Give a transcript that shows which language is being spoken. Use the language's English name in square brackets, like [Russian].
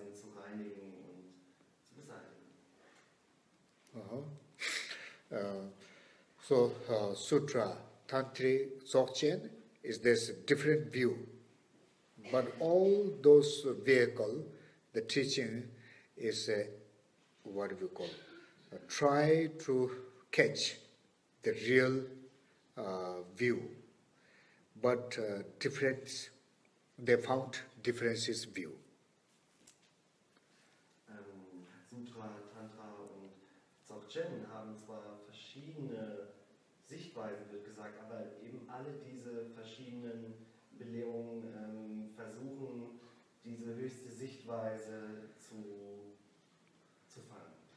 [German] Weisen zu reinigen und zu beseitigen. Aha. [English] Sutra Tantri Dzogchen is this different view. But all those vehicle, the teaching is a, what we call, a try to catch the real view. But difference, they found differences view. [German] Sutra, Tantra und Dzogchen haben zwar verschiedene Sichtweisen, wird gesagt, aber eben alle diese verschiedenen Belehrungen versuchen, diese höchste Sichtweise zu fangen.